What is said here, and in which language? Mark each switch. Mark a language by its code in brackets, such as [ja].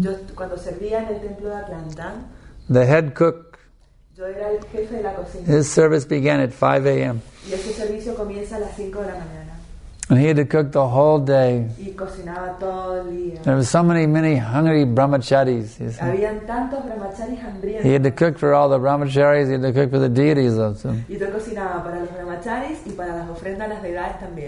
[es] Yo, cuando servía en el templo de Atlanta, [en] the head cook. [es] Yo era el jefe de la cocina. [en] His service began at 5 a.m. [es] Y ese servicio comienza a las 5 de la mañana. [en] And he had to cook the whole day. [es] Y cocinaba todo el día. [en] There were so many hungry brahmacharis. [es] Habían tantos brahmacharis hambrientos. [en] He had to cook for all the brahmacharis. He had to cook for the deities of them. [es] Y yo cocinaba para los brahmacharis y para las ofrendas a las deidades también.